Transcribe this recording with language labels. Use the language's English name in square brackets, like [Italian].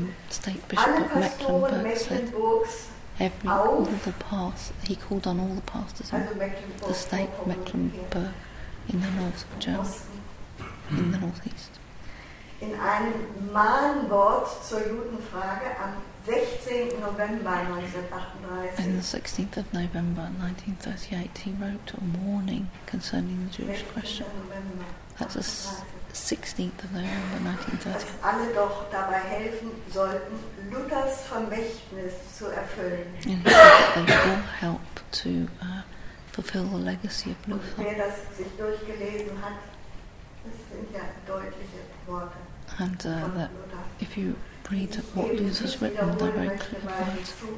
[English] State Bishop of Mecklenburg said, he called on all the pastors in the state of Mecklenburg in the north of Germany, in the northeast. [German] In einem Mahnwort zur Judenfrage am 16. November 1938. [English] In the 16th of November 1938, he wrote a warning concerning the Jewish question. That's the 16th of November 1938. [German] Dass alle doch dabei helfen sollten, Luthers Vermächtnis zu erfüllen. [English] And he said that they will help to fulfill the legacy of Luther. [German] Und wer das sich durchgelesen hat, das sind ja deutliche Worte. [English] And that if you read what Luther's written, they're very clear words.